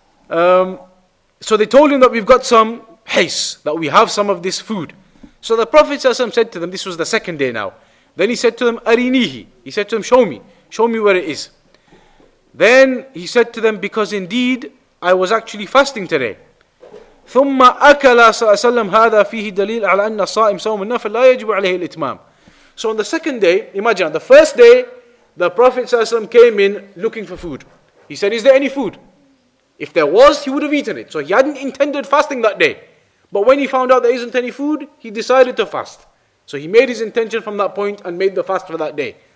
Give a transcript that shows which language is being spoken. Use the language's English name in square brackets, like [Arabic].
[English] So they told him that we've got some hais, that we have some of this food. So the Prophet ﷺ said to them, this was the second day now. Then he said to them, arinihi. He said to them, show me where it is. Then he said to them, because indeed, I was actually fasting today. [Arabic] ثم أكل صلى الله عليه وسلم هذا فيه دليل على أن الصائم صوم النفل لا يجب عليه الإتمام. [English] So on the second day, imagine, the first day, the Prophet ﷺ came in looking for food. He said, is there any food? If there was, he would have eaten it. So he hadn't intended fasting that day. But when he found out there isn't any food, he decided to fast. So he made his intention from that point and made the fast for that day.